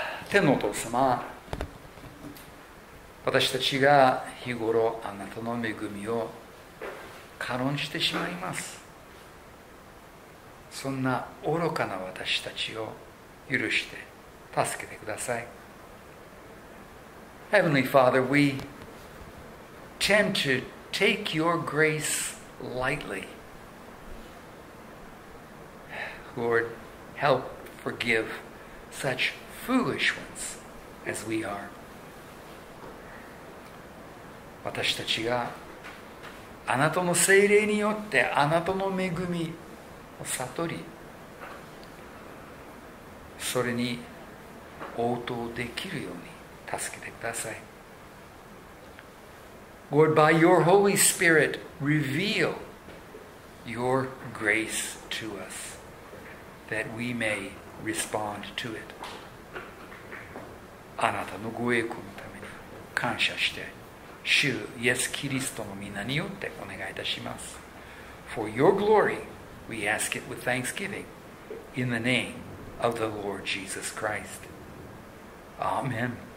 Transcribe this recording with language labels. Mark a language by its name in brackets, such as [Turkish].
[Japanese] 天のお父様、私たちが日頃あなたの恵みを軽んじてしまいます。そんな愚かな私たちを許して助けてください。 [English] Heavenly Father, we tend to take your grace lightly. Lord, help forgive such foolish ones as we are. [Japanese] 私たちがあなたの聖霊によってあなたの恵みを悟り、それに応答できるように助けてください。 [English] Lord, by your Holy Spirit, reveal your grace to us, that we may respond to it. [Japanese] あなたのご栄光のために感謝して、主イエス・キリストの御名によってお願いいたします。 [English] For your glory, we ask it with thanksgiving, in the name of the Lord Jesus Christ. Amen.